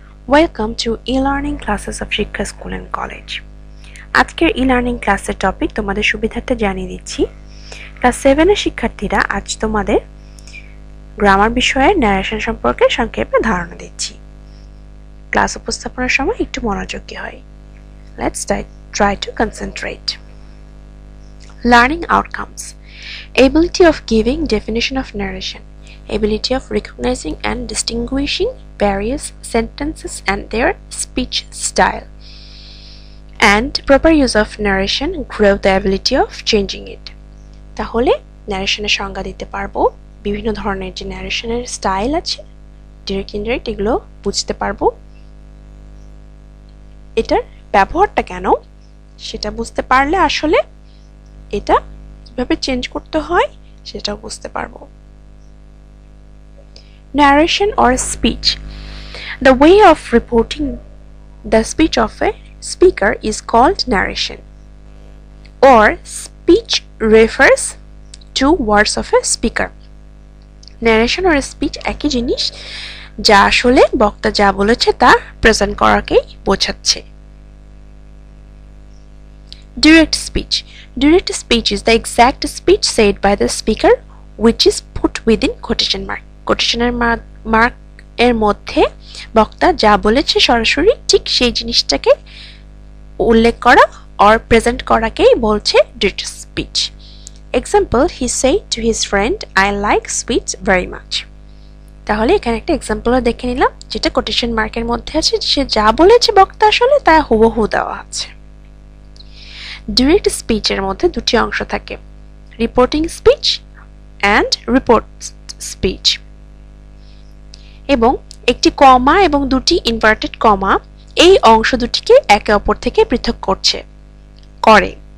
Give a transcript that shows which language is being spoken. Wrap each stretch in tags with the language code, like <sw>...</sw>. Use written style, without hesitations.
<en>Welcome to e learning classes of Shiksha school and college.</en> <bn>আজকের e learning ক্লাসের topic তোমাদের সুবিধার্থে জানিয়ে দিচ্ছি। ক্লাস সেভেনের শিক্ষার্থীরা, আজ তোমাদের গ্রামার বিষয়ের ন্যারেশন সম্পর্কে সংক্ষেপে ধারণা দিচ্ছি। ক্লাস উপস্থাপনের সময় একটু মনোযোগী হয়।</bn> <en>Let's try to concentrate. Learning outcomes: ability of giving, definition of narration, ability of recognizing and distinguishing various sentences and their speech style, and proper use of narration grow the ability of changing it.</en> <bn>তাহলে ন্যারেশনের সংজ্ঞা দিতে পারবো, বিভিন্ন ধরনের যে ন্যারেশনের style আছে direct indirect এগুলো বুঝতে পারবো, এটার ব্যবহারটা কেন সেটা বুঝতে পারলে আসলে এটা কিভাবে চেঞ্জ করতে হয় সেটাও বুঝতে পারবো।</bn> <en>Narration or speech, the way of reporting the speech of a speaker is called narration, or speech refers to words of a speaker.</en> <bn>Narration or speech একই জিনিস, যা আসলে বক্তা যা বলেছে তা প্রেজেন্ট করাকেই বোঝাচ্ছে।</bn> <en>Direct speech. Direct speech is the exact speech said by the speaker which is put within quotation mark.</en> <bn>Quotation mark এর মধ্যে বক্তা যা বলেছে সরাসরি ঠিক সেই জিনিসটাকে উল্লেখ করা or present করাকেই বলছে direct speech.</bn> <en>Example, he said to his friend, I like sweets very much.</en> <bn>তাহলে এখানে একটা এক্সাম্পল দেখে নিলাম, যেটা কোটেশন মার্কের মধ্যে আছে, সে যা বলেছে বক্তা আসলে তা হুবহু দেওয়া আছে। ডিরেক্ট স্পিচের মধ্যে দুটি অংশ থাকে,</bn> <en>reporting speech and report speech,</en> <bn>এবং একটি কমা এবং দুটি ইনভার্টেড কমা এই অংশ দুটিকে একে অপর থেকে পৃথক করছে করে।</bn>